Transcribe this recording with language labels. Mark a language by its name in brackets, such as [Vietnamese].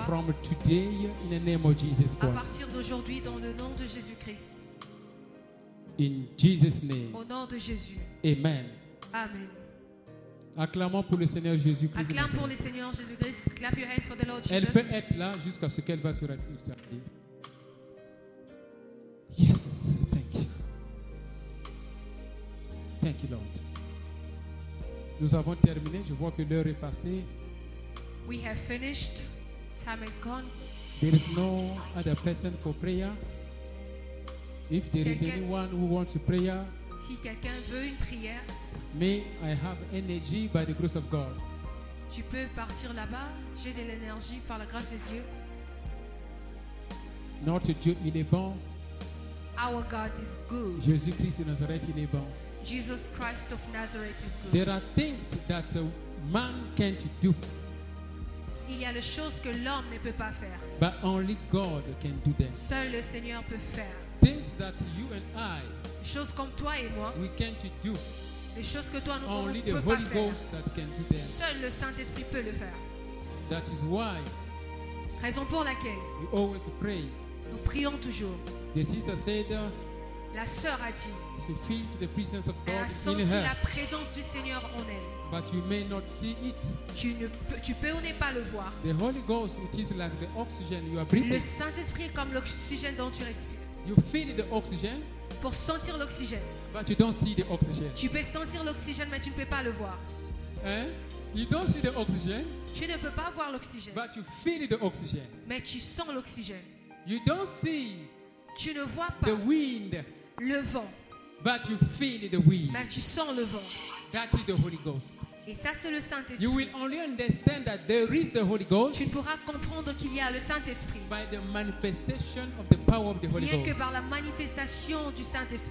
[English] From today in the name of Jesus Christ. [French] À partir d'aujourd'hui dans le nom de Jésus-Christ. [English] In Jesus' name. [French] Au nom de Jésus. [English] Amen. [French] Amen. Acclamons pour le Seigneur Jésus-Christ. Acclame pour le Seigneur Jésus-Christ. [English] Clap your hands for the Lord Jesus. [French] Elle peut être là jusqu'à ce qu'elle va se rétablir. [English] Yes, thank you. Thank you, Lord. [French] Nous avons terminé. Je vois que l'heure est passée. [English] We have finished. Time is gone. There is no other person for prayer. If there is anyone who wants a prayer, [French] si quelqu'un veut une prière, [English] may I have energy by the grace of God. [French] Tu peux partir là-bas, j'ai de l'énergie par la grâce de Dieu. Notre Dieu, il est bon. [English] Our God is good. [French] Jésus-Christ de Nazareth, il est bon. [English] Jesus Christ of Nazareth is good. There are things that a man can't do. [French] Il y a des choses que l'homme ne peut pas faire. [English] But only God can do them. [French] Seul le Seigneur peut faire. [English] Things that you and I, [French] choses comme toi et moi, [English] we can't do. [French] Les choses que toi nous [English] only [French] on ne peut [English] the Holy [French] pas [English] Ghost [French] faire. [English] That can do them. [French] Seul le Saint-Esprit peut le faire. [English] That is why. [French] Raison pour laquelle. [English] We always pray. [French] Nous prions toujours. [English] The sister said, [French] la sœur a dit. [English] She feels the presence of God [French] elle a senti [English] in her. [French] La présence du Seigneur en elle. [English] But you may not see it. [French] Tu peux ou ne pas le voir. [English] The Holy Ghost, it is like the oxygen you are breathing. [French] Le Saint-Esprit est comme l'oxygène dont tu respires. [English] You feel the oxygen, [French] pour sentir l'oxygène. [English] But you don't see the oxygen. [French] Tu peux sentir l'oxygène, mais tu ne peux pas le voir. [English] Hein? You don't see the oxygen, [French] tu ne peux pas voir l'oxygène. [English] But you feel the oxygen. [French] Mais tu sens l'oxygène. [English] You don't see, [French] tu ne vois pas [English] the wind, [French] le vent. [English] But you feel the wind. [French] Mais tu sens le vent. [English] That is the Holy Ghost. [French] Et ça, c'est le Saint-Esprit. [English] You will only understand that there is the Holy Ghost. [French] Tu ne pourras comprendre qu'il y a le Saint-Esprit. [English] By the manifestation of the power of the Holy Ghost. [French] Rien que par la manifestation du Saint-Esprit.